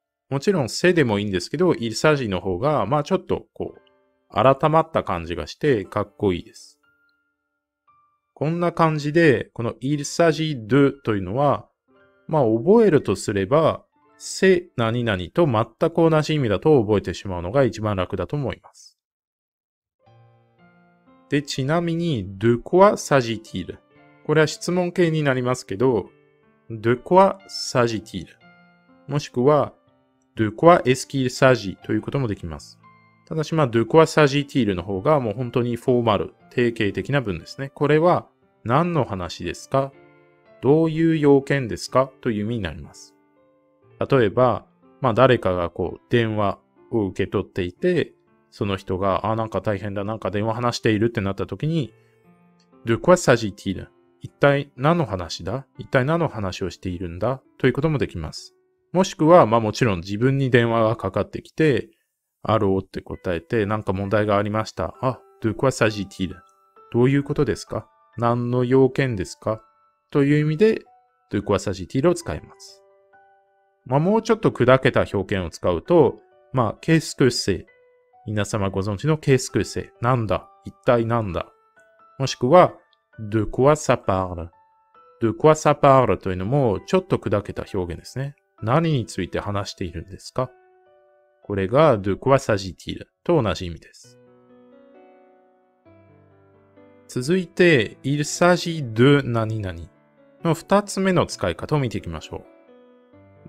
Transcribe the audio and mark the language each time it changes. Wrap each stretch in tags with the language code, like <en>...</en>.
<ja>もちろん、せでもいいんですけど、</ja> <fr>Il s'agit</fr> <ja>の方が、まあ、ちょっと、こう、改まった感じがして、かっこいいです。こんな感じで、この</ja> <fr>Il s'agit de</fr> <ja>というのは、まあ、覚えるとすれば、せ何々と全く同じ意味だと覚えてしまうのが一番楽だと思います。で、ちなみに、</ja> <fr>de quoi s'agit-il?</fr> <ja>これは質問形になりますけど、</ja> <fr>de quoi s'agit-il?</fr> <ja>もしくは、</ja> <fr>de quoi est-ce qu'il s'agit?</fr> <ja>ということもできます。ただし、まあ、</ja> <fr>de quoi s'agit-il</fr> <ja>の方がもう本当にフォーマル、定型的な文ですね。これは何の話ですか?どういう要件ですかという意味になります。例えば、まあ誰かがこう電話を受け取っていて、その人が、あ、なんか大変だ、なんか電話話しているってなった時に、</ja> <fr>De quoi s'agit-il?</fr> <ja>一体何の話だ?一体何の話をしているんだ?ということもできます。もしくは、まあもちろん自分に電話がかかってきて、あろうって答えて、なんか問題がありました。あ、</ja> <fr>De quoi s'agit-il?</fr> <ja>どういうことですか?何の要件ですか? という意味で、</ja> <fr>de quoi s'agit-il</fr> <ja>を使います。まあ、もうちょっと砕けた表現を使うと、まあ、</ja> <fr>qu'est-ce que c'est?</fr> <ja>皆様ご存知の</ja> <fr>qu'est-ce que c'est?</fr> <ja>なんだ?一体なんだ? もしくは、</ja> <fr>de quoi ça parle? de quoi ça parle?</fr> <ja>というのも、ちょっと砕けた表現ですね。何について話しているんですか? これが、</ja> <fr>de quoi s'agit-il</fr> <ja>と同じ意味です。続いて、</ja> <fr>Il s'agit de</fr> <ja>何々の二つ目の使い方を見ていきましょう。</ja>